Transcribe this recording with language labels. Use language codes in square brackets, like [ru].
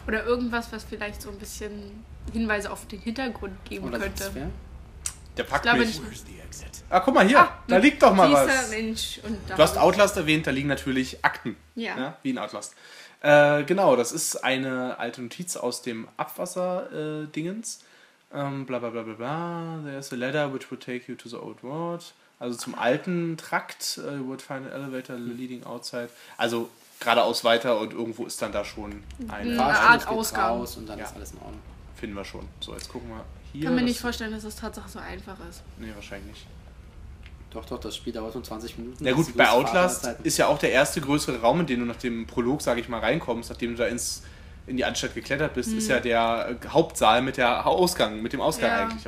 [de] Oder irgendwas, was vielleicht so ein bisschen Hinweise auf den Hintergrund geben oder könnte. Der packt mich. Ah, guck mal hier, da liegt doch mal was. Mensch und du hast Outlast erwähnt, da liegen natürlich Akten. Ja. Ja, wie in Outlast. Genau, das ist eine alte Notiz aus dem Abwasser-Dingens. [en] There's a ladder which would take you to the old world. [de] Also zum alten Trakt. [en] You would find an elevator leading outside. [de] Also geradeaus weiter und irgendwo ist dann da schon eine Art Ausgang. Raus und dann ist alles in Ordnung. Finden wir schon. So, jetzt gucken wir hier. Kann mir nicht vorstellen, dass das tatsächlich so einfach ist. Nee, wahrscheinlich nicht. Doch, das Spiel dauert nur 20 Minuten. Na gut, bei Outlast ist ja auch der erste größere Raum, in den du nach dem Prolog, sag ich mal, reinkommst, nachdem du da in die Anstalt geklettert bist, ist ja der Hauptsaal mit der Ausgang, mit dem Ausgang eigentlich.